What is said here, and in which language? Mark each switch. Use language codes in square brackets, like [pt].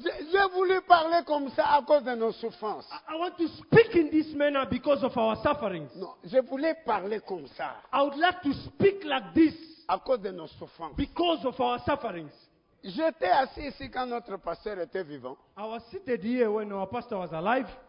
[fr] J'ai voulu parler comme ça à cause de nos souffrances. [en] I want to speak in this manner because of our sufferings. [fr] Non, je voulais parler comme ça. [en] I would like to speak like this. [fr] À cause de nos souffrances. [en] Because of our sufferings. [fr] J'étais assis ici quand notre pasteur était vivant. [en] I was seated here when our pastor was alive.